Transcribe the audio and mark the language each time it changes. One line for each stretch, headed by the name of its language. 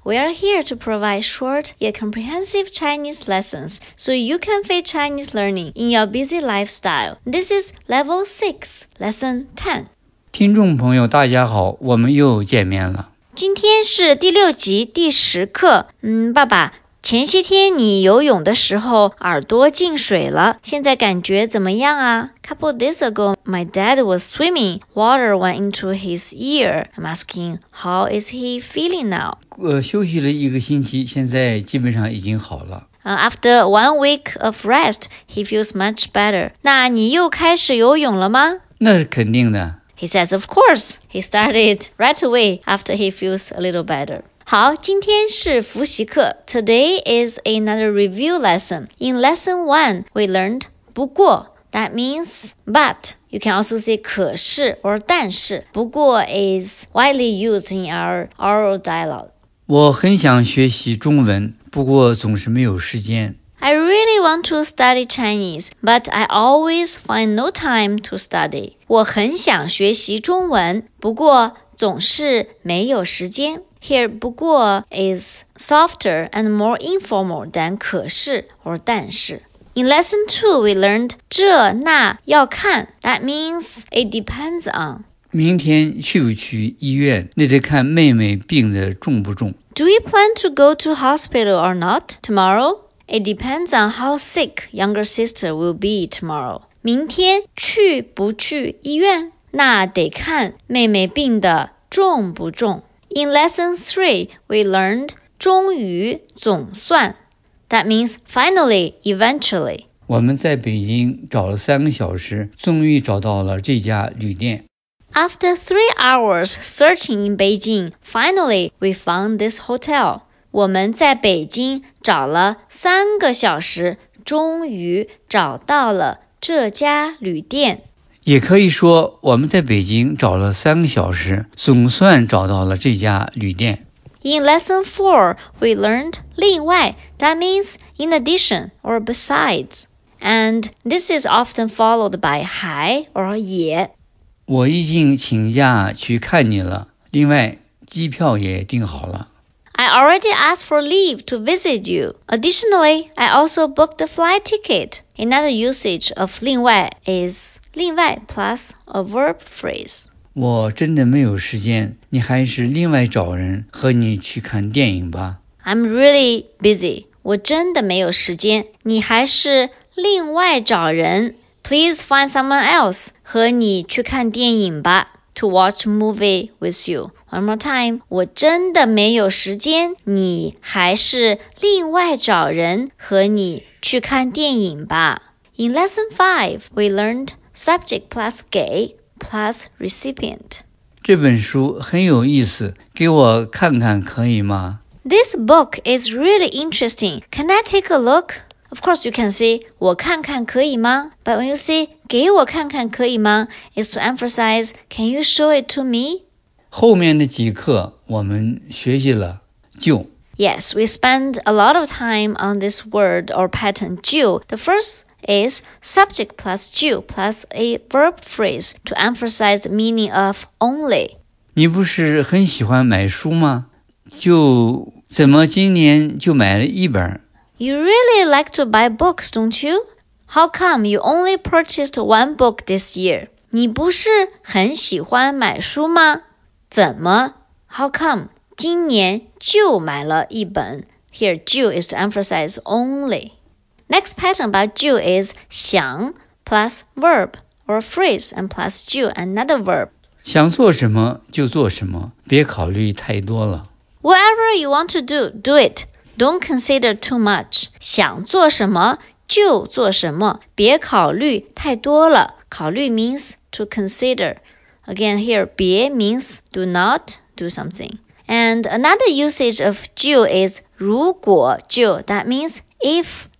English: We are here to provide short yet comprehensive Chinese lessons so you can fit Chinese learning in your busy lifestyle. This is Level 6, Lesson 10.
Chinese: 听众朋友大家好，我们又见面了。今天是第六集第十课。爸爸，前些天你游泳的时候耳朵进水了，现在感觉怎么样啊？
English: Couple of days ago, my dad was swimming. Water went into his ear. I'm asking, how is he feeling now?
Chinese: 休息了一个星期，现在基本上已经好了。
English: After 1 week of rest, he feels much better.
Chinese: 那你又开始游泳了吗？那是肯定的。
English: He says, of course. He started right away after he feels a little better.
Chinese: 好，今天是复习课。
English: Today is another review lesson. In lesson 1, we learned 不过 that means but. You can also say 可是 or 但是。不过 is widely used in our oral dialogue.
Chinese: 我很想学习中文，不过总是没有时间。
English: I really want to study Chinese, but I always find no time to study.
Chinese: 我很想学习中文，不过总是没有时间。
English: Here, 不过 is softer and more informal than 可是 or 但是。 In lesson 2, we learned 这那要看 That means it depends on.
Chinese: 明天去不去医院，那得看妹妹病得重不重。
English: Do you plan to go to hospital or not tomorrow? It depends on how sick younger sister will be tomorrow.
Chinese: 明天去不去医院，那得看妹妹病得重不重。
English: In lesson 3, we learned 终于总算 That means finally, eventually.
Chinese: 我们在北京找了三个小时，终于找到了这家旅店。
English: After 3 hours searching in Beijing, finally we found this hotel.
Chinese: 我们在北京找了三个小时，终于找到了这家旅店。也可以说我们在北京找了三个小时总算找到了这家旅店。
English: In lesson 4, we learned 另外 that means in addition or besides. And this is often followed by 还 or 也。
Chinese: 我已经请假去看你了，另外机票也订好了。
English: I already asked for leave to visit you. Additionally, I also booked the flight ticket. Another usage of 另外 is... 另外 plus a verb phrase.
Chinese: 我真的没有时间，你还是另外找人和你去看电影吧。
English: I'm really busy.
Chinese: 我真的没有时间，你还是另外找人。
English: Please find someone else
Chinese: 和你去看电影吧。
English: To watch movie with you. One more time.
Chinese: 我真的没有时间，你还是另外找人和你去看电影吧。
English: In lesson 5, we learned... Subject plus 给 plus recipient.
Chinese: 这本书很有意思，给我看看可以吗？
English: This book is really interesting. Can I take a look? Of course, you can say
Chinese: 我看看可以吗？
English: But when you say
Chinese: 给我看看可以吗？
English: is to emphasize Can you show it to me?
Chinese: 后面的几课我们学习了就。
English: Yes, we spend a lot of time on this word or pattern 就 The firstis subject plus 就 plus a verb phrase to emphasize the meaning of only.
Chinese: 你不是很喜欢买书吗？就怎么今年就买了一本？
English: You really like to buy books, don't you? How come you only purchased one book this year?
Chinese: 你不是很喜欢买书吗？怎么
English: How come
Chinese: 今年就买了一本？
English: Here, 就 is to emphasize only. Next pattern about 就 is 想 plus verb or phrase and plus 就 another verb.
Chinese: 想做什么就做什么，别考虑太多了。
English: Whatever you want to do, do it. Don't consider too much.
Chinese: 想做什么就做什么，别考虑太多了。
English: 考虑 means to consider. Again here, 别 means do not do something. And another usage of 就 is 如果就 that means if.